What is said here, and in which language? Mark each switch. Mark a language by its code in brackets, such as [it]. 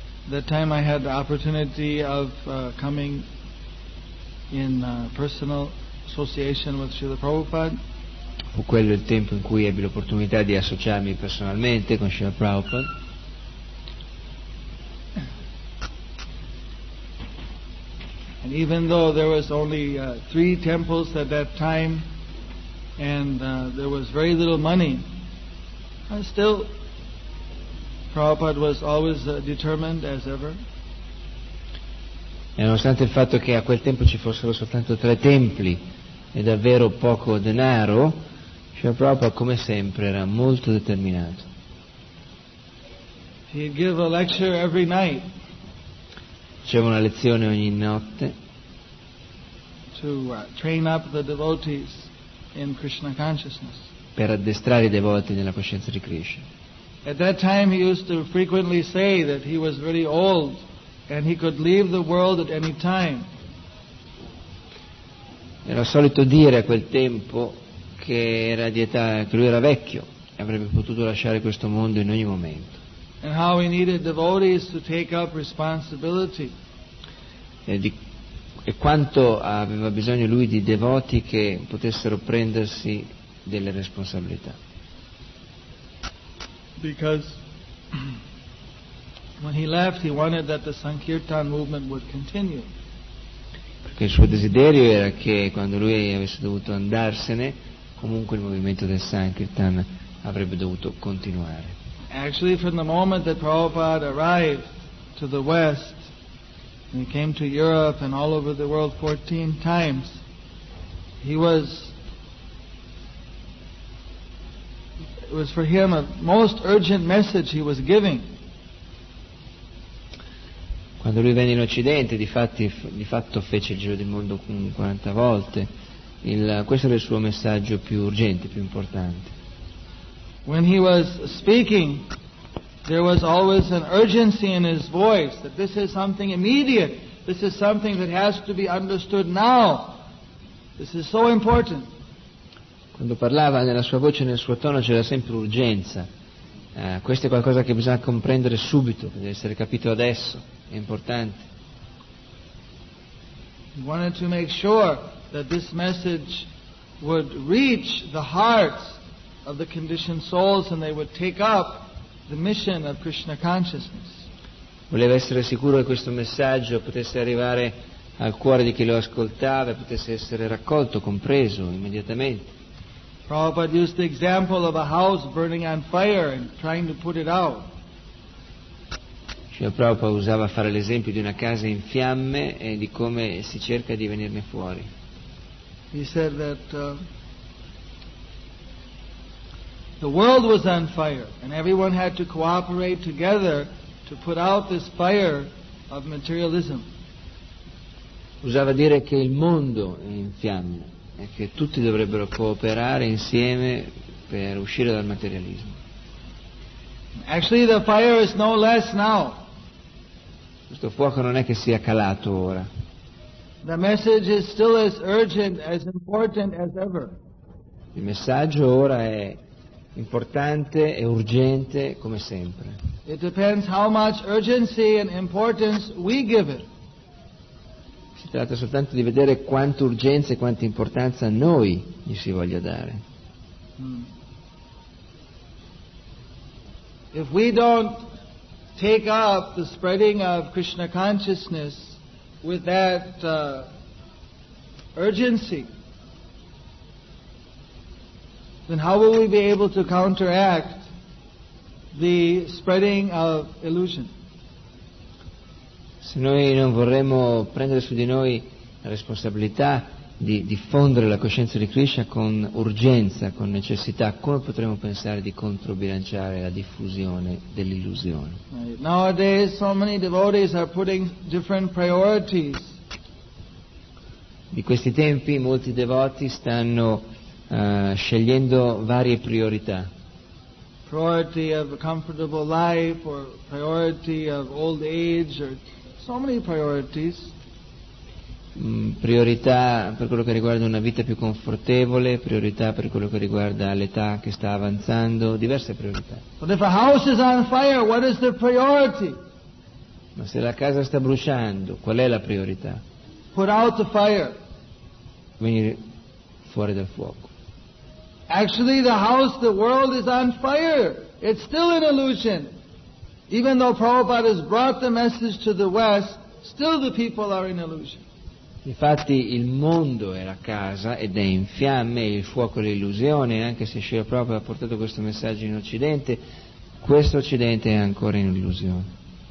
[en] That time I had the opportunity of coming in personal association with Srila Prabhupada. [it] Fu quello il tempo in cui ebbi l'opportunità di associarmi personalmente con Srila Prabhupada. [en] And even though there was only three temples at that time and there was very little money, still Prabhupada was always determined as ever. [it] E nonostante il fatto che a quel tempo ci fossero soltanto tre templi e davvero poco denaro, Srila Prabhupada come sempre era molto determinato. [en] He'd give a lecture every night. [it] Faceva una lezione ogni notte. [en] To train up the devotees in Krishna consciousness. [it] Per addestrare i devoti nella coscienza di Krishna. [en] At that time he used to frequently say that he was very old and he could leave the world at any time. [it] Era solito dire a quel tempo che era di età, che lui era vecchio e avrebbe potuto lasciare questo mondo in ogni momento. [en] And how he needed devotees to take up responsibility. [it] E quanto aveva bisogno lui di devoti che potessero prendersi delle responsabilità. [en] Because when he left he wanted that the Sankirtan movement would continue. [it] Perché il suo desiderio era che quando lui avesse dovuto andarsene, comunque il movimento del Sankirtan avrebbe dovuto continuare. [en] Actually, from the moment that Prabhupada arrived to the West, and he came to Europe and all over the world 14 times, it was for him a most urgent message he was giving. [it] Quando lui venne in Occidente, di fatto fece il giro del mondo 40 volte. Questo era il suo messaggio più urgente, più importante. [en] When he was speaking, there was always an urgency in his voice that this is something immediate. This is something that has to be understood now. This is so important. [it] Quando parlava nella sua voce e nel suo tono c'era sempre urgenza. Questo è qualcosa che bisogna comprendere subito, che deve essere capito adesso. È importante. [en] He wanted to make sure that this message would reach the hearts of the conditioned souls and they would take up the mission of Krishna consciousness. [it] Voleva essere sicuro che questo messaggio potesse arrivare al cuore di chi lo ascoltava e potesse essere raccolto, compreso immediatamente. [en] Prabhupada used the example of a house burning on fire and trying to put it out. [it] Srila Prabhupada usava a fare l'esempio di una casa in fiamme e di come si cerca di venirne fuori. [en] He said that the world was on fire and everyone had to cooperate together to put out this fire of materialism. [it] Usava dire che il mondo è in fiamme e che tutti dovrebbero cooperare insieme per uscire dal materialismo. [en] Actually the fire is no less now. [it] Questo fuoco non è che sia calato ora. [en] The message is still as urgent, as important as ever. [it] Il messaggio ora è importante e urgente come sempre. [en] It depends how much urgency and importance we give it. [it] Si tratta soltanto di vedere quanta urgenza e quanta importanza noi gli si voglia dare. [en] If we don't take up the spreading of Krishna consciousness with that urgency, then how will we be able to counteract the spreading of illusion? [it] Se noi non vorremmo prendere su di noi la responsabilità di diffondere la coscienza di Krishna con urgenza, con necessità, come potremmo pensare di controbilanciare la diffusione dell'illusione? [en] Nowadays so many devotees are putting different priorities. [it] Di questi tempi molti devoti stanno scegliendo varie priorità. [en] Priority of a comfortable life or priority of old age or so many priorities. [it] Priorità per quello che riguarda una vita più confortevole, priorità per quello che riguarda l'età che sta avanzando, diverse priorità. [en] But if a house is on fire, what is the priority? [it] Ma se la casa sta bruciando, qual è la priorità? [en] Put out the fire. [it] Venire fuori dal fuoco. [en] Actually, the house, the world is on fire. It's still an illusion. Even though Prabhupada has brought the message to the West, still the people are in illusion. [it] Infatti il mondo è la casa ed è in fiamme, il fuoco è l'illusione, anche se Srila Prabhupada ha portato questo messaggio in Occidente, questo Occidente è ancora in illusione.